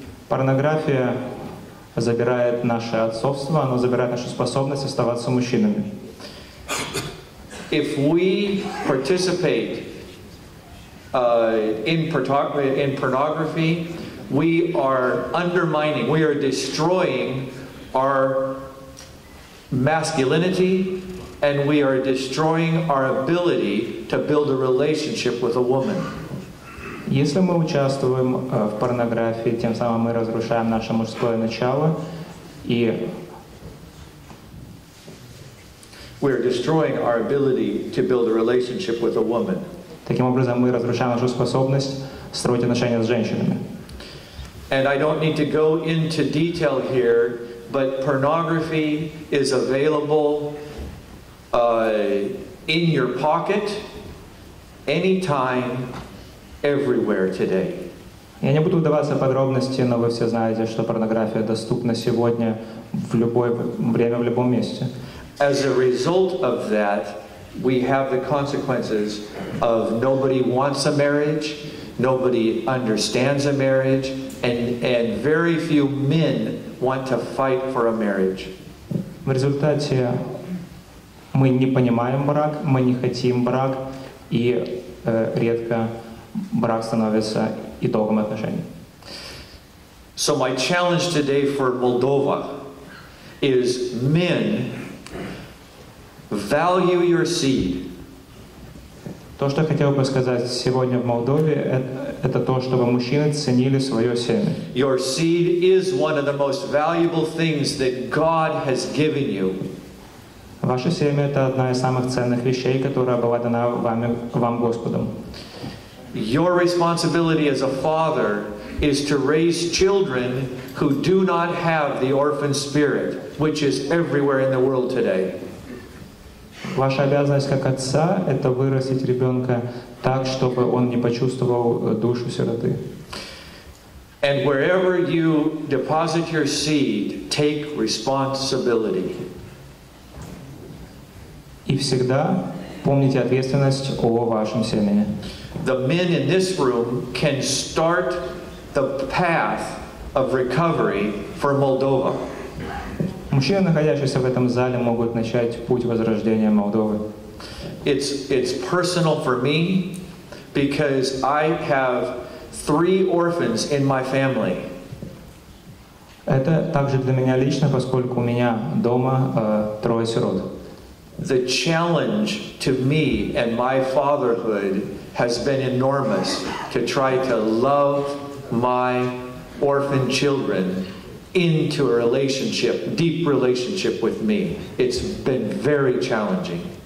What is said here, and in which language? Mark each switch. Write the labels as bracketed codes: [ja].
[ru] Порнография забирает наше отцовство, оно забирает нашу способность оставаться мужчинами. [en] If we participate in pornography, we are undermining, we are destroying our masculinity, and we are destroying our ability to build a relationship with a woman. [ru] Если мы участвуем в порнографии, тем самым мы разрушаем наше мужское начало, и [en] we are destroying our ability to build a relationship with a woman. [ru] Таким образом, мы разрушаем нашу способность строить отношения с женщинами. [en] And I don't need to go into detail here, but pornography is available in your pocket, anytime, everywhere today. [ru] Я не буду вдаваться в подробности, но вы все знаете, что порнография доступна сегодня в любое время, в любом месте. [en] As a result of that, we have the consequences of nobody wants a marriage, nobody understands a marriage, and very few men want to fight for a marriage. [ru] В результате мы не понимаем брак, мы не хотим брак, и редко брак становится итогом отношений. [en] So my challenge today for Moldova is, men, value your seed. [ru] То, что хотел бы сказать сегодня в Молдове, это то, чтобы мужчины ценили свое семя. [en] Your seed is one of the most valuable things that God has given you. [ru] Ваше семя – это одна из самых ценных вещей, которая была дана вам Господом. [en] Your responsibility as a father is to raise children who do not have the orphan spirit, which is everywhere in the world today. [ru] Ваша обязанность как отца – это вырастить ребенка так, чтобы он не почувствовал душу сироты. [en] And wherever you deposit your seed, take responsibility. [ru] И всегда помните ответственность о вашем семени. [en] The men in this room can start the path of recovery for Moldova. [ru] Мужчины, находящиеся в этом зале, могут начать путь возрождения Молдовы. [en] It's personal for me because I have three orphans in my family. [ru] Это также для меня лично, поскольку у меня дома трое сирот. [en] The challenge to me and my fatherhood has been enormous to try to love my orphan children into a relationship, deep relationship with me. It's been very challenging.